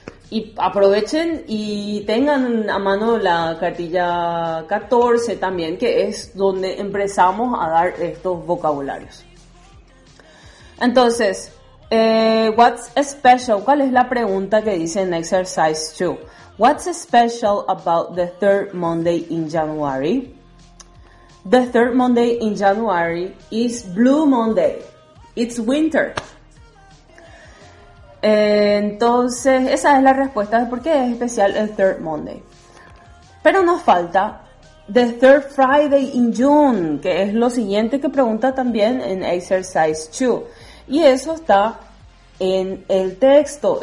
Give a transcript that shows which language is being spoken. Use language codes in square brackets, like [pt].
[es] Y aprovechen y tengan a mano la cartilla 14 también, que es donde empezamos a dar estos vocabularios. Entonces, [en] what's special? [es] ¿Cuál es la pregunta que dice en exercise 2? [en] What's special about the third Monday in January? The third Monday in January is Blue Monday. It's winter. [es] Entonces, esa es la respuesta de por qué es especial el [en] Third Monday. [es] Pero nos falta [en] the Third Friday in June, [es] que es lo siguiente que pregunta también en Exercise 2. Y eso está en el texto.